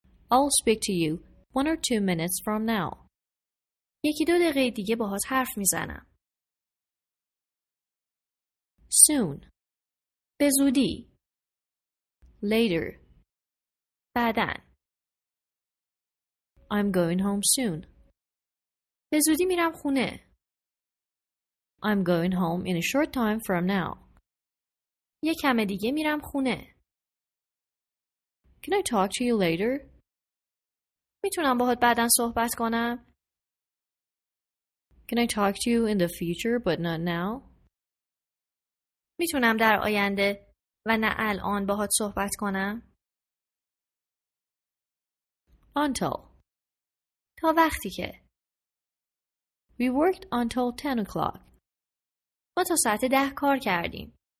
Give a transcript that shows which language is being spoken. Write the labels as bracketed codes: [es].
[en] I'll speak to you one or two minutes from now. [fa] یکی دو دقیقه دیگه باهات حرف میزنم. Soon. به زودی. Later. بعدن. [en] I'm going home soon. [fa] به زودی میرم خونه. [en] I'm going home in a short time from now. [fa] یه کم دیگه میرم خونه. [en] Can I talk to you later? [fa] میتونم باهات بعدن صحبت کنم. [en] Can I talk to you in the future but not now? [fa] میتونم در آینده و نه الان باهات صحبت کنم. [en] Until. [fa] تا وقتی که. [en] We worked until 10 o'clock. [fa] ما تا ساعت 10 کار کردیم.